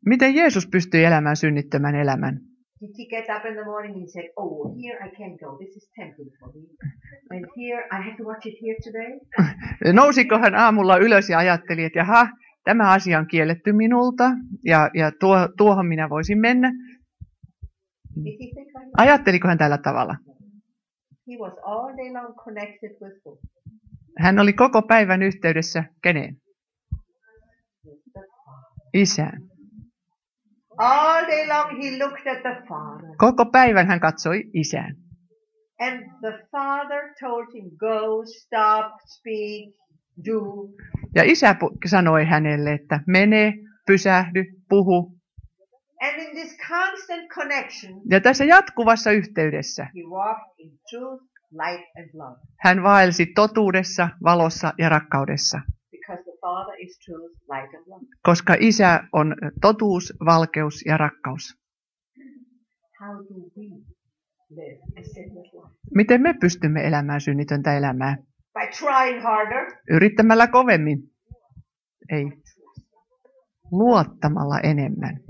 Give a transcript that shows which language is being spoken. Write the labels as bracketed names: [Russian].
[Finnish] Miten Jeesus pystyi elämään synnittömän elämän? [English] Did he get up in the morning and said, "Oh, here I can't go. This is tempting for me. And here I have to watch it here today." [Finnish] Nousiko hän aamulla ylös ja ajatteli, että jaha, tämä asia on kielletty minulta, ja tuohon minä voisin mennä. Ajatteliko hän tällä tavalla? [English] He was all day long connected with who? [Finnish] Hän oli koko päivän yhteydessä keneen? Isään. [English] All day long he looked at the father. [Finnish] Koko päivän hän katsoi isään. [English] And the father told him, go, stop, speak. [Finnish] Ja isä sanoi hänelle, että mene, pysähdy, puhu. [English] And in this constant connection, [Finnish] ja tässä jatkuvassa yhteydessä [English] he walked in truth, light and love. [Finnish] Hän vaelsi totuudessa, valossa ja rakkaudessa. [English] Because the Father is truth, light and love. [Finnish] Koska isä on totuus, valkeus ja rakkaus. [English] How do we live a sinless life? [Finnish] Miten me pystymme elämään synnitöntä elämää? [English] By trying harder. [Finnish] Yrittämällä kovemmin. Ei. Luottamalla enemmän.